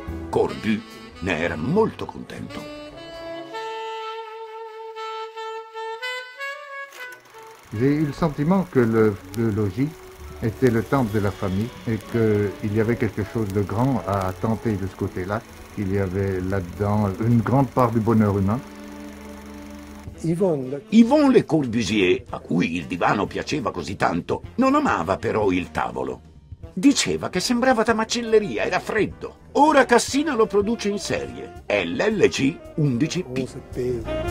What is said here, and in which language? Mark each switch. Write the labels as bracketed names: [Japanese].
[Italian] Corbu ne era molto contento. [French] J'ai eu le sentiment che le logis était le temple de la famille et qu'il y avait quelque chose de grand à tenter de ce côté-là. Il y avait là-dedans une grande part du bonheur humain. [Italian] Yvonne Le Corbusier, a cui il divano piaceva così tanto, non amava però il tavolo. Diceva che sembrava da macelleria, era freddo. Ora Cassina lo produce in serie. È l'LC 11P.